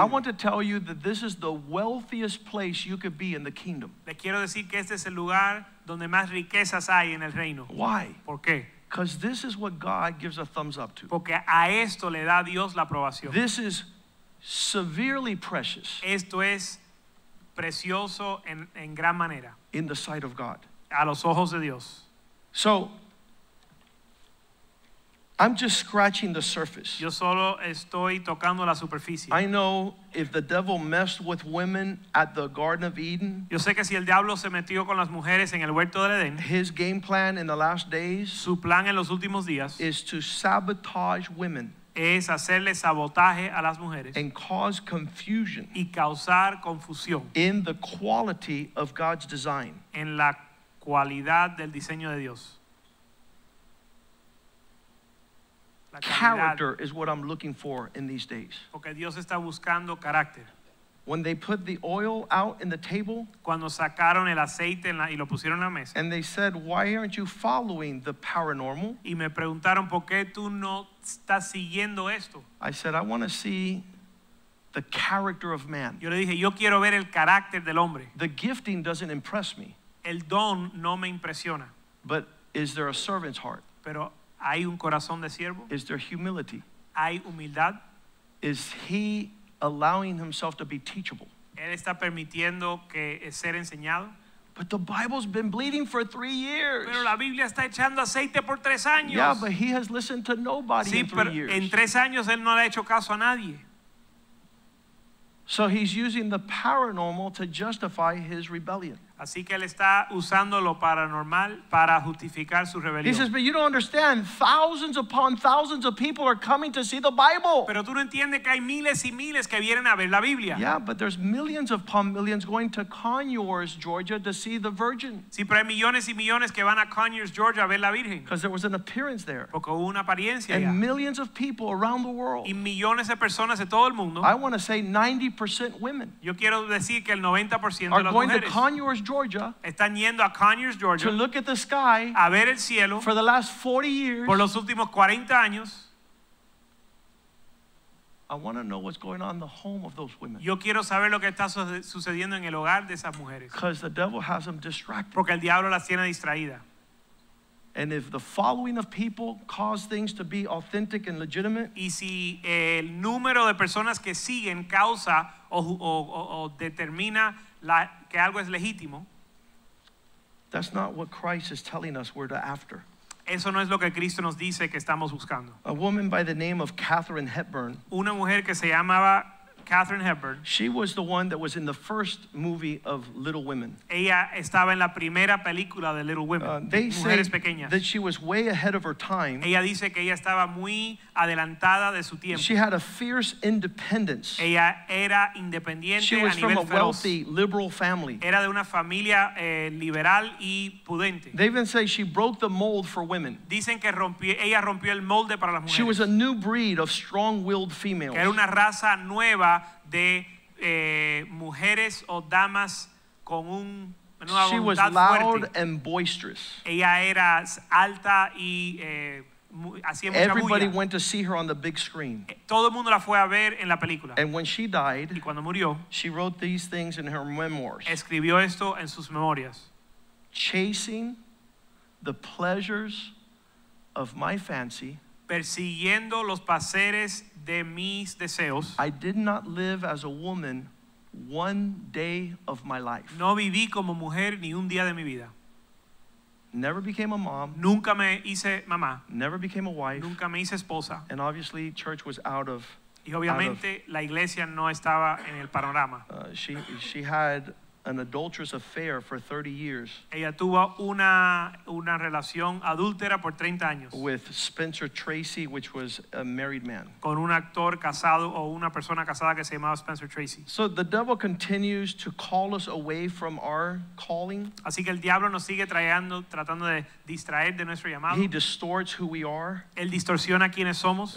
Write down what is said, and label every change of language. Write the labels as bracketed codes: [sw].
[en] I want to tell you that this is the wealthiest place you could be in the kingdom. [es] Le quiero decir que este es el lugar donde más riquezas hay en el reino. [en] Why? [es] ¿Por qué? [en] Because this is what God gives a thumbs up to. [es] Porque a esto le da Dios la aprobación. [en] This is severely precious. [es] Esto es precioso en gran manera. [en] In the sight of God. [es] A los ojos de Dios. [en] So, I'm just scratching the surface. [es] Yo solo estoy tocando la superficie. [en] I know if the devil messed with women at the Garden of Eden. [es] Yo sé que si el diablo se metió con las mujeres en el huerto del Edén. [en] His game plan in the last days. [es] Su plan en los últimos días. [en] Is to sabotage women. [es] Es hacerle sabotaje a las mujeres. [en] And cause confusion. [es] Y causar confusión. [en] In the quality of God's design. [es] En la cualidad del diseño de Dios. [en] Character is what I'm looking for in these days. [es] Porque Dios está buscando carácter. [en] When they put the oil out in the table, [es] cuando sacaron el aceite en la, y lo pusieron en la mesa, [en] and they said, "Why aren't you following the paranormal?" [es] Y me preguntaron, ¿por qué tú no estás siguiendo esto? [en] I said, "I want to see the character of man." [es] Yo le dije, yo quiero ver el carácter del hombre. [en] The gifting doesn't impress me. [es] El don no me impresiona. [en] But is there a servant's heart? [es] Pero hay un corazón de siervo. [en] Is there humility? [es] Hay humildad. [en] Is he allowing himself to be teachable? [es] Él está permitiendo que ser enseñado. [en] But the Bible's been bleeding for 3 years. [es] Pero la Biblia está echando aceite por 3 años. [en] Yeah, but he has listened to nobody, [es] sí, [en] in 3 years. [es] En 3 años él no le ha hecho caso a nadie. [en] So he's using the paranormal to justify his rebellion. [es] Así que él está usando lo paranormal para justificar su rebelión. [en] He says, but you don't understand. Thousands upon thousands of people are coming to see the Bible. [es] Pero tú no entiendes que hay miles y miles que vienen a ver la Biblia. [en] Yeah, but there's millions upon millions going to Conyers, Georgia, to see the Virgin. [es] Sí, pero hay millones y millones que van a Conyers, Georgia, a ver la Virgen. [en] Because there was an appearance there. [es] Porque hubo una apariencia. [en] And millions of people around the world. [es] Y millones de personas de todo el mundo. [en] I want to say 90% women. [es] Yo quiero decir que el 90% [en] are going to Conyers, Georgia. [es] Están yendo a Conyers, Georgia. [en] To look at the sky. [es] A ver el cielo. [en] For the last 40 years. [es] Por los últimos 40 años. [en] I want to know what's going on in the home of those women. [es] Yo quiero saber lo que está sucediendo en el hogar de esas mujeres. [en] Because the devil has them distracted. [es] Porque el diablo las tiene distraídas. [en] And if the following of people cause things to be authentic and legitimate, [es] y si el número de personas que siguen causa o determina la, que algo es legítimo, [en] that's not what Christ is telling us we're after. [es] Eso no es lo que Cristo nos dice que estamos buscando. [en] A woman by the name of Katharine Hepburn, [es] una mujer que se llamaba Katharine Hepburn, [en] she was the one that was in the first movie of Little Women. [es] Ella estaba en la primera película de Little Women. [en] They say [es] pequeñas. [en] That she was way ahead of her time. [es] Ella dice que ella estaba muy adelantada de su tiempo. [en] She had a fierce independence. [es] Ella era independiente. [en] She was a from [es] nivel a feroz. [en] Wealthy liberal family. [es] Era de una familia liberal y pudente. [en] They even say she broke the mold for women. [es] Dicen que ella rompió el molde para las mujeres. [en] She was a new breed of strong-willed females. [es] Era una raza nueva de mujeres o damas con un una [en] she was loud [es] fuerte. [en] And boisterous. [es] Ella era alta y hacía mucha [en] everybody [es] bulla. [en] Went to see her on the big screen. [es] Todo el mundo la fue a ver en la película. [en] And when she died, [es] y cuando murió, [en] she wrote these things in her memoirs. [es] Escribió esto en sus memorias. [en] Chasing the pleasures of my fancy, [es] persiguiendo los placeres de mis deseos. [en] I did not live as a woman one day of my life. [es] No viví como mujer ni un día de mi vida. [en] Never became a mom. [es] Nunca me hice mamá. [en] Never became a wife. [es] Nunca me hice esposa. [en] And obviously church was out of. [es] Y obviamente la iglesia no estaba en el panorama. [en] She had an adulterous affair for 30 years. [es] Ella tuvo una relación adúltera por 30 años. [en] With Spencer Tracy, which was a married man. [es] Con un actor casado o una persona casada que se llamaba Spencer Tracy. [en] So the devil continues to call us away from our calling. [es] Así que el diablo nos sigue tratando de distraer de nuestro llamado. [en] He distorts who we are. [es] Él distorsiona quiénes somos.